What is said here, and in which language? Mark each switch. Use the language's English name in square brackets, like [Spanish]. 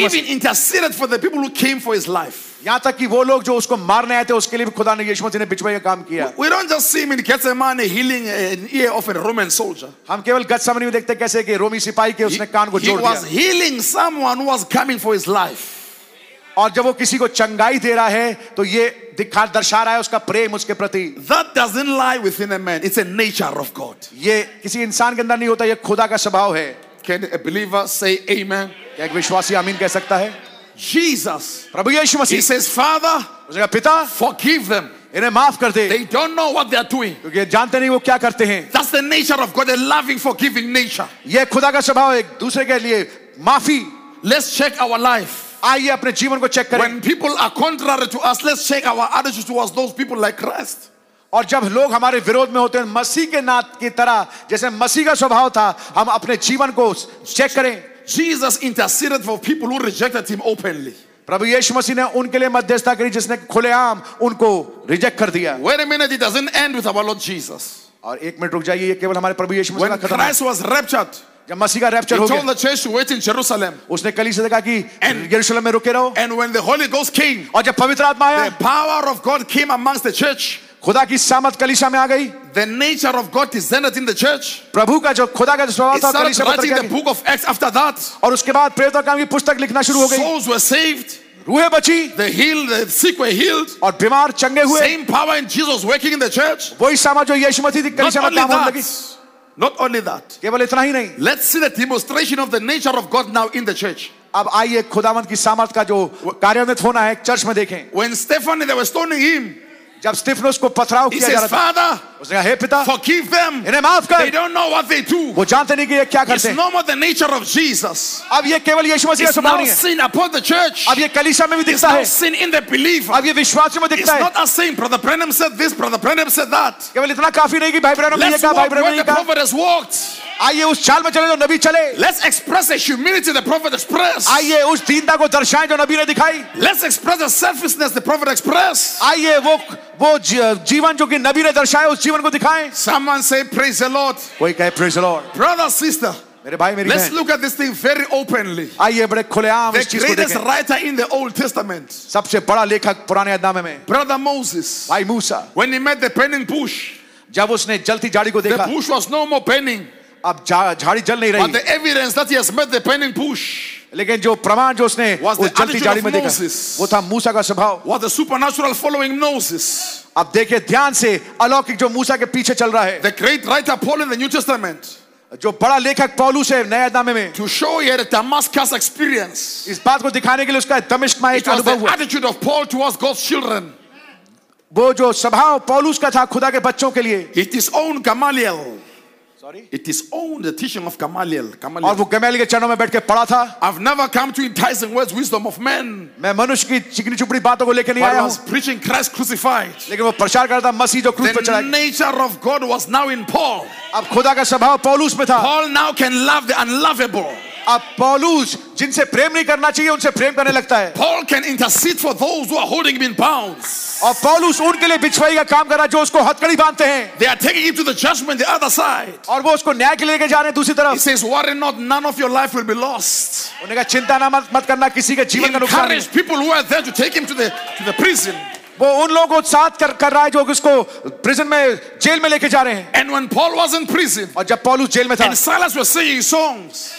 [English] मसीह, even interceded for the people who came for his life. [Hindi] यहाँ तक कि वो लोग जो उसको मारने आए थे, उसके लिए भी खुदा ने, यीशु मसीह ने बिचवाई का काम किया. [English] We don't just see him in Gethsemane healing an ear of a Roman soldier. [Hindi] हम केवल गतसमनी में देखते कैसे कि रोमी सिपाही के उसने कान को जोड़ दिया. [English] He was healing someone who was coming for his life. [Hindi] और जब वो किसी को चंगाई दे रहा है तो ये दिखा दर्शा रहा है उसका प्रेम उसके प्रति. [English] That doesn't lie within a man. It's a nature of God. [Hindi] ये किसी इंसान के अंदर नहीं होता, ये खुदा का स्वभाव है. [English] Can a believer say amen? [Hindi] क्या एक विश्वासी आमीन कह सकता है? [English] Jesus, [Hindi] Prabhu Yeshu Masih, [English] he says, Father, [Hindi] उसका पिता, [English] forgive them. [Hindi] इन्हें माफ कर दे. [English] They don't know what they are doing. [Hindi] क्योंकि जानते नहीं वो क्या करते हैं. [English] That's the nature of God, a loving, forgiving nature. [Hindi] ये खुदा का स्वभाव है, दूसरे के लिए माफी. [English] Let's check our life. [Hindi] आइए अपने जीवन को चेक करें. [English] When people are contrary to us, let's check our attitude towards those people like Christ. [Hindi] और जब लोग हमारे विरोध में होते हैं, मसीह के नाथ की तरह जैसे मसीह का स्वभाव था, हम अपने जीवन को चेक करें. [English] Jesus interceded for people who rejected him openly. [Hindi] प्रभु यीशु मसीह ने उनके लिए मध्यस्थता करी जिसने खुलेआम उनको रिजेक्ट कर दिया. [English] Wait a minute, it doesn't end with our Lord Jesus. [Hindi] और एक मिनट रुक जाइए, ये केवल हमारे प्रभु यीशु मसीह का खत्म. [English] When Christ was raptured, [Hindi] जब मसीह का रैप्चर हो गया, [English] he told the church to wait in Jerusalem. [Hindi] उसने कलीसिया से कहा कि यरूशलेम में रुके रहो. [English] And when the Holy Ghost came, [Hindi] और जब पवित्र आत्मा आया, [English] the power of God came amongst the church. [Hindi] खुदा की सामर्थ कलीसिया में आ गई. [English] The nature of God descended in the church. [Hindi] प्रभु का जो खुदा का जो स्वभाव था कलीसिया में, [English] he started writing the book of Acts after that. [Hindi] और उसके बाद प्रेरितों का भी पुस्तक लिखना शुरू हो गई. [English] Souls were saved. [Hindi] रूहें बची. [English] The healed, the sick were healed. [Hindi] और बीमार चंगे हुए. [English] Same power in Jesus working in the church. [Hindi] वही सामर्थ जो यीशु मसीह थी कलीसिया में काम करने लगी. [English] Not only that. [Hindi] केवल इतना ही नहीं. [English] Let's see the demonstration of the nature of God now in the church. [Hindi] अब आइए खुदावंत की सामर्थ का जो कार्यान्वित होना है चर्च में देखें. [English] When Stephen, they were stoning him. [Hindi] जब स्टीफन उसको पथराव किया जा रहा था. [English] Father, [Hindi] उसने कहा, हे पिता, [English] forgive them. [Hindi] इन्हें माफ कर. [English] They don't know what they do. [Hindi] वो जानते नहीं कि ये क्या करते हैं. [English] It's no more the nature of Jesus. [Hindi] अब ये केवल यीशु मसीह का स्वभाव है. [English] It's now sin upon the church. [Hindi] अब ये कलीसिया में भी दिखता है. [English] It's now sin in the belief. [Hindi] अब ये विश्वासियों में दिखता है. [English] It's not a sin. Brother Branham said this. Brother Branham said that. [Hindi] केवल इतना काफी नहीं कि भाई ब्रैनम ने ये कहा, भाई ब्रैनम ने ये कहा. [English] Let's walk where the prophet has walked. [Hindi] आइए उस चाल में चले जो नबी चले. [English] Let's express the humility the prophet expressed. [Hindi] आइए उस दीनता को दर्शाएं जो नबी ने दिखाई. [English] Let's express the selflessness the prophet expressed. [Hindi] आइए वो जीवन जो कि नबी ने दर्शाया उस जीवन को दिखाएं. [English] Someone say praise the Lord. [Hindi] कोई कहे [English] praise the Lord. Brother, sister, [Hindi] मेरे भाई, मेरी बहन, [English] let's look at this thing very openly. [Hindi] आइए बड़े खुलेआम इस चीज को देखें. [English] The greatest writer in the Old Testament. [Hindi] सबसे बड़ा लेखक पुराने अदनामे में. [English] Brother Moses. [Hindi] भाई मूसा. [English] When he met the burning bush. [Hindi] जब उसने जलती झाड़ी को देखा. [English] The bush was no more burning. [Hindi] अब झाड़ी जल नहीं रही. [English] But the evidence that he has met the burning bush. [Hindi] लेकिन जो प्रमाण जो उसने जलती झाड़ी में देखा, वो था मूसा का स्वभाव. [English] Was the supernatural following Moses. [Hindi] अब देखिए ध्यान से अलौकिक जो मूसा के पीछे चल रहा है. [English] The great writer Paul in the New Testament. [Hindi] जो बड़ा लेखक पौलुस है नए नामे में. [English] To show he had a Damascus experience. [Hindi] इस बात को दिखाने के लिए उसका दमिश्क में एक अनुभव हुआ. [English] The attitude of Paul towards God's children. [Hindi] वो जो स्वभाव पौलुस का था खुदा के बच्चों के लिए. [English] It is own Gamaliel. Sorry? It is own the teaching of Gamaliel. [Hindi] और वो गमलियल के चरणों में बैठ के पढ़ा था. [English] I've never come to enticing words, wisdom of men. [Hindi] मैं मनुष्य की चिकनी चुपड़ी बातों को लेकर नहीं आया हूँ. [English] I was preaching Christ crucified. [Hindi] लेकिन वो प्रचार कर रहा था मसीह जो क्रूस पर चढ़ा. [English] The nature of God was now in Paul. [Hindi] अब खुदा का स्वभाव पौलुस में था. [English] Paul now can love the unlovable. [Hindi] अब पौलुस जिनसे प्रेम नहीं करना चाहिए उनसे प्रेम करने लगता है. [English] Paul can intercede for those who are holding him in bonds. [Hindi] और पौलुस उनके लिए बिछवाई का काम कर रहा है जो उसको हथकड़ी बांधते हैं. [English] They are taking him to the judgment the other side. [Hindi] और वो उसको न्याय के लिए लेके जा रहे हैं दूसरी तरफ. [English] He says, "Worry not, none of your life will be lost." [Hindi] उन्हें कहा, चिंता ना मत करना किसी के जीवन का नुकसान. [English] Encourage people who are there to take him to the prison. [Hindi] वो उन लोगों को साथ कर रहा है जो उसको प्रिजन में जेल में लेके जा रहे हैं. [English] And when Paul was in prison, [Hindi] और जब पौलुस जेल में था, [English] and Silas was singing songs,